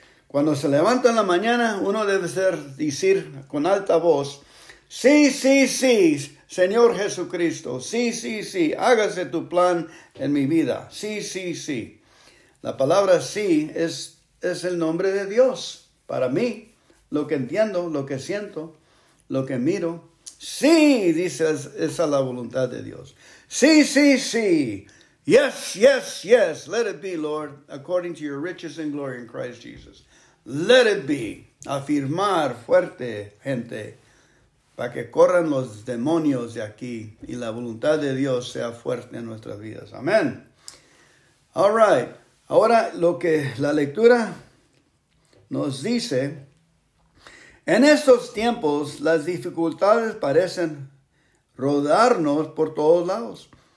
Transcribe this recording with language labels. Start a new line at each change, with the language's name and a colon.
Spanish: Cuando se levanta en la mañana, uno debe decir con alta voz, sí, sí, sí, Señor Jesucristo, sí, sí, sí, hágase tu plan en mi vida, sí, sí, sí. La palabra sí es es el nombre de Dios. Para mí, lo que entiendo, lo que siento, lo que miro, sí, dice, esa es la voluntad de Dios. Sí, sí, sí.
English: Yes, yes, yes. Let it be, Lord, according to your riches and glory in Christ Jesus. Let it be.
Spanish: Afirmar fuerte, gente, para que corran los demonios de aquí y la voluntad de Dios sea fuerte en nuestras vidas. Amén.
English: All right.
Spanish: Ahora lo que la lectura nos dice, en estos tiempos las dificultades parecen rodarnos por todos lados.